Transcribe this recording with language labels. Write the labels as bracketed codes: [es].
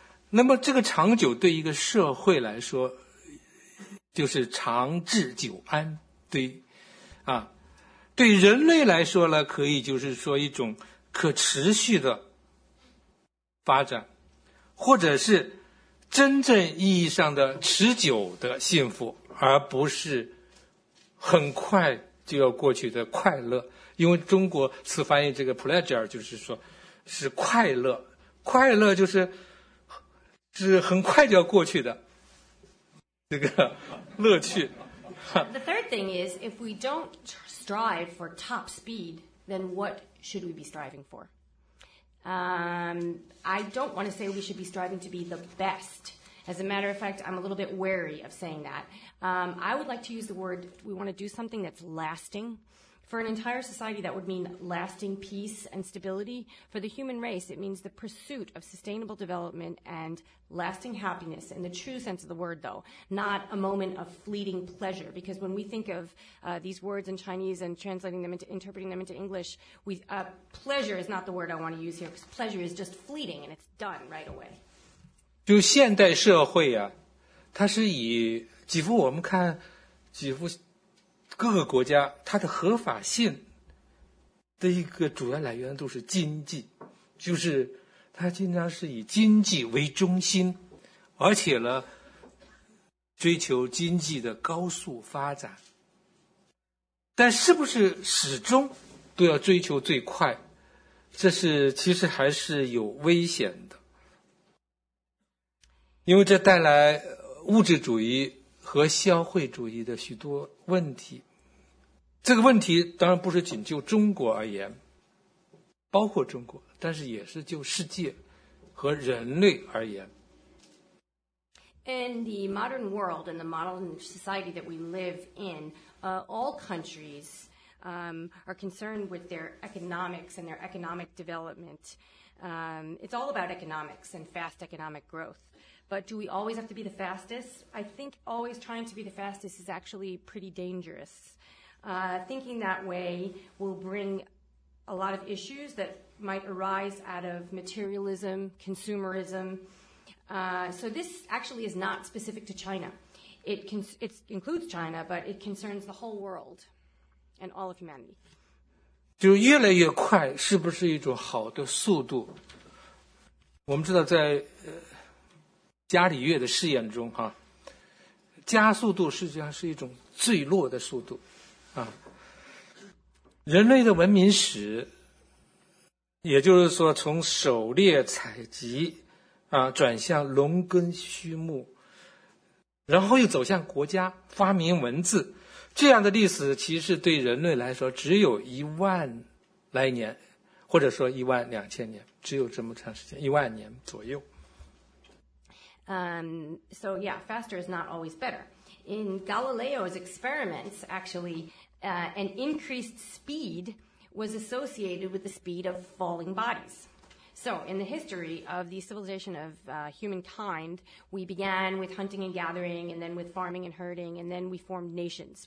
[zh] 那么这个长久对一个社会来说，就是长治久安，对人类来说呢，可以就是说一种可持续的发展，或者是真正意义上的持久的幸福，而不是很快就要过去的快乐。因为中国词翻译这个 pleasure 就是说是快乐，快乐就是。 [en] The third thing is, if we don't strive for top speed, then what should we be striving for? I don't want to say we should be striving to be the best. As a matter of fact, I'm a little bit wary of saying that. I would like to use the word, we want to do something that's lasting, For an entire society, that would mean lasting peace and stability. For the human race, it means the pursuit of sustainable development and lasting happiness, in the true sense of the word, though, not a moment of fleeting pleasure. Because when we think of these words in Chinese and translating them into, interpreting them into English, pleasure is not the word I want to use here, because pleasure is just fleeting, and it's done right away. [zh] 就现代社会啊，它是以几乎我们看几乎各个国家它的合法性的一个主要来源都是经济，就是它经常是以经济为中心，而且呢追求经济的高速发展，但是不是始终都要追求最快，这是其实还是有危险的，因为这带来物质主义和消费主义的许多问题。这个问题当然不是仅就中国而言，包括中国，但是也是就世界和人类而言。 [en] In the modern world, in the modern society that we live in, all countries are concerned with their economics and their economic development. It's all about economics and fast economic growth. But do we always have to be the fastest? I think always trying to be the fastest is actually pretty dangerous. Thinking that way will bring a lot of issues that might arise out of materialism, consumerism. So this actually is not specific to China. It includes China, but it concerns the whole world and all of humanity. [zh] 就越来越快是不是一种好的速度？我们知道在伽利略的试验中，加速度实际上是一种坠落的速度，人类的文明史，也就是说从狩猎采集，转向农耕畜牧，然后又走向国家发明文字，这样的历史其实对人类来说只有一万来年，或者说一万两千年，只有这么长时间，一万年左右。 [en] So yeah, faster is not always better. In Galileo's experiments, actually, an increased speed was associated with the speed of falling bodies. So in the history of the civilization of humankind, we began with hunting and gathering, and then with farming and herding, and then we formed nations.